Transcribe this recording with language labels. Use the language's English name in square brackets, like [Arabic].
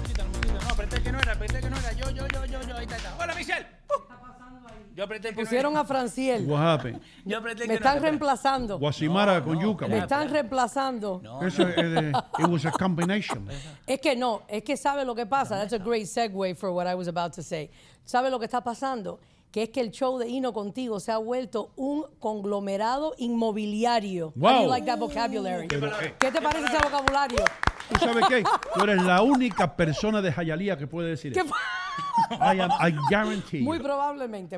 [Spanish] No, apreté que no era, Yo. Ahí está. Hola, Michelle. Yo apreté que pusieron no a Franciel. [English] What happened? [Spanish] Yo apreté que me están reemplazando. Guasimara no, con no, yuca. Me están reemplazando. No, eso no. [English] It was a combination. [Spanish] Es que no, es que sabe lo que pasa. [English] That's a great segue for what I was about to say. [Spanish] ¿Sabe lo que está pasando? Que es que el show de Hino Contigo se ha vuelto un conglomerado inmobiliario. [English] Wow. How do you like that vocabulary? [Spanish] ¿Qué te parece ese vocabulario? ¿Tú sabes qué? Tú eres la única persona de Hialeah que puede decir eso. [English] I guarantee. [Spanish] Muy probablemente.